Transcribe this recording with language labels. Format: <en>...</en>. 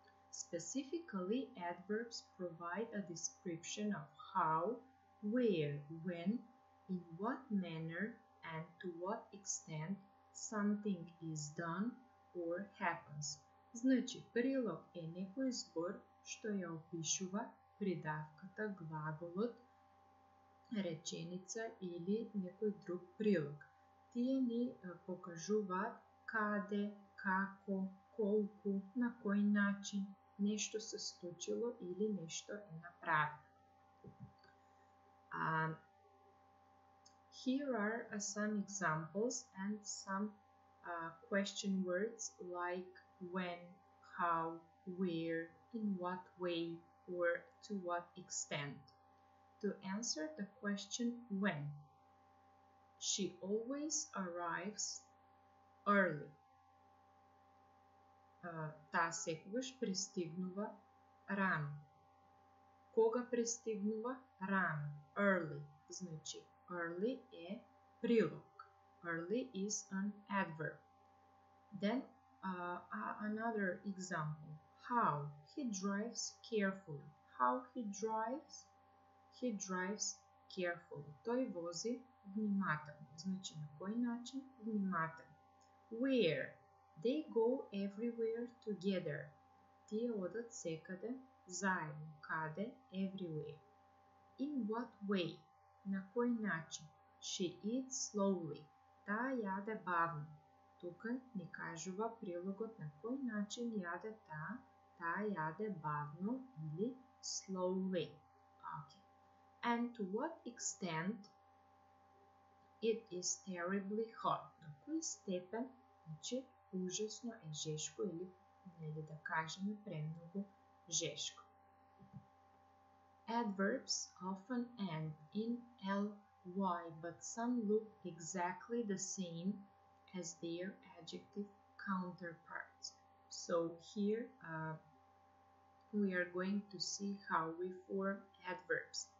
<en>Specifically, adverbs provide a description of how, where, when, in what manner, and to what extent something is done or happens.</en> <mk>Значи, прилог е некој збор што ја опишува придавката, глаголот, реченица или некој друг прилог. Тие ни покажуваат каде, како, колку, на кој начин нешто се случило или нешто е направено.</mk> <en>Here are some examples and some question words like when, how, where, in what way, or to what extent. To answer the question when, she always arrives early.</en> <mk>Та секогаш пристигнува рано. Кога пристигнува? Рано. Early. Значи, early е прилог.</mk> <en>Early is an adverb. Then, another example. How? He drives carefully. How he drives? He drives carefully.</en> <mk>Тој вози внимателно. Значи, на кој начин? Внимателно. Where?</mk> <en>They go everywhere together.</en> <mk>Тие одат секаде заедно. Каде?</mk> <en>Everywhere. In what way?</en> <mk>На кој начин?</mk> <en>She eats slowly.</en> <mk>Та јаде бавно. Тук ни кажува прилогот на кој начин јаде та, та јаде бавно или slowly.</mk> <en>Okay. And to what extent it is terribly hot?</en> <mk>На кој степен, значи, ужасно е жешко или, нели да кажеме, премногу жешко.</mk> <en>Adverbs often end in ly, but some look exactly the same as their adjective counterparts. So here we are going to see how we form adverbs.</en>